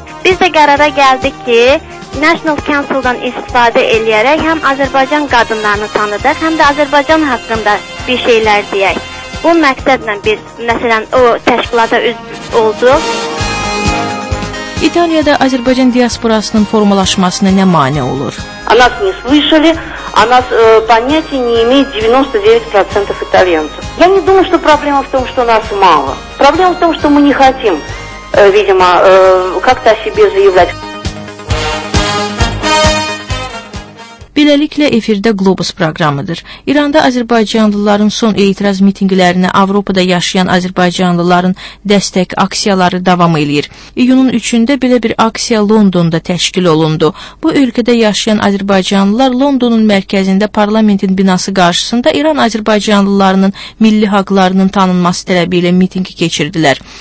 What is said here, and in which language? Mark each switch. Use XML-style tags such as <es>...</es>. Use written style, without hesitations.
<az>Biz də qərara gəldik ki, National Council-dan istifadə eləyərək həm Azərbaycan qadınlarını tanıdaq, həm də Azərbaycan haqqında bir şeylər deyək. Bu məqsədlə biz, məsələn, o təşkilata üzv olduq. İtaliyada Azərbaycan diasporasının formalaşmasına nə mane olur?</az> <ru>Anas не слышали, анас понятия не имеет 99% итальянцев. Я не думаю, что проблема в том, что нас мало. Проблема в том, что мы не хотим, видимо, как-то о себе заявлять.</ru> <az>Beləliklə, efirdə Globus proqramıdır. İranda azərbaycanlıların son etiraz mitinqlərinə Avropada yaşayan azərbaycanlıların dəstək aksiyaları davam edir. İyunun 3-də belə bir aksiya Londonda təşkil olundu. Bu ölkədə yaşayan azərbaycanlılar Londonun mərkəzində parlamentin binası qarşısında İran azərbaycanlılarının milli haqlarının tanınması tələbi ilə mitinq keçirdilər.</az>